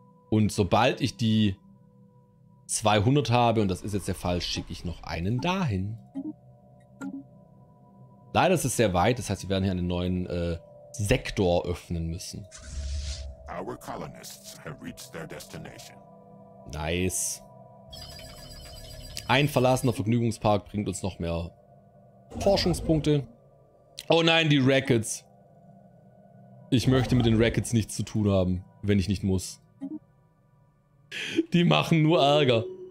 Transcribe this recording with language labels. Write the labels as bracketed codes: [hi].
[de] Und sobald ich die 200 habe, und das ist jetzt der Fall, schicke ich noch einen dahin. Leider ist es sehr weit, das heißt, wir werden hier einen neuen Sektor öffnen müssen. [en] Our colonists have reached their destination. Nice. [de] Ein verlassener Vergnügungspark bringt uns noch mehr Forschungspunkte. Oh nein, die Rackets. Ich möchte mit den Rackets nichts zu tun haben, wenn ich nicht muss. Die machen nur Ärger.